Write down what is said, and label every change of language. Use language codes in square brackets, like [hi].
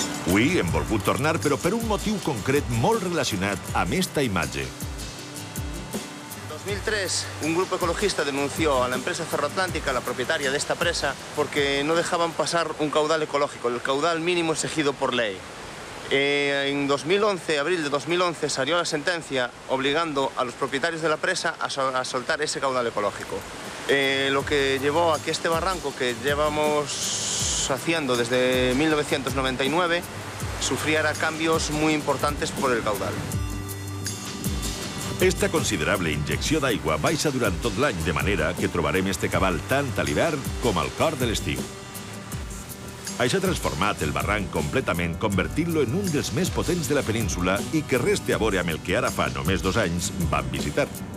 [ca] Avui hem volgut tornar, però per un motiu concret molt relacionat amb esta imatge. 2003, un grup ecologista denunció a l'empresa Ferroatlántica, la propietària d'esta presa, perquè no deixaven passar un caudal ecològic, el caudal mínim exigido per llei. [es] En 2011, abril de 2011, salió la sentència obligando a los propietarios de la presa a soltar ese caudal ecológico. Lo que llevó a que este barranco que llevamos haciendo desde 1999 sufriera cambios muy importantes por el caudal. [ca] Esta considerable inyecció d'aigua baixa durant tot l'any, de manera que trobarem este cabal tant a l'hivern com al cor de l'estiu. Això ha transformat el barranc completament, convertint-lo en un dels més potents de la península i que resta a veure amb el que ara fa només dos anys van visitar.